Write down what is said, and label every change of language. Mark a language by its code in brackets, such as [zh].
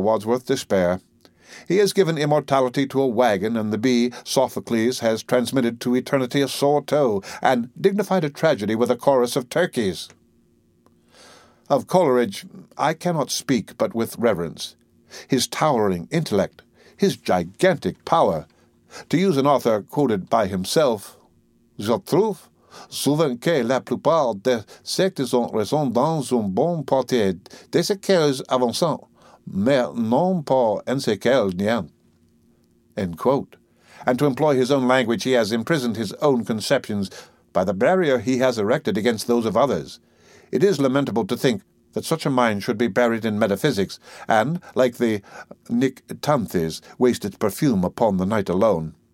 [en] Wordsworth despair. He has given immortality to a wagon, and the bee, Sophocles, has transmitted to eternity a sore toe, and dignified a tragedy with a chorus of turkeys. Of Coleridge, I cannot speak but with reverence. His towering intellect, his gigantic power. To use an author quoted by himself, [fr] "Je trouve souvent que la plupart des sectes ont raison dans une bonne partie de ce qu'elles avancent, mais non pas en ce qu'elles nient." [en] End quote. And to employ his own language, he has imprisoned his own conceptions by the barrier he has erected against those of others. It is lamentable to think that such a mind should be buried in metaphysics, and, like the Nyctanthes, waste its perfume upon the night alone.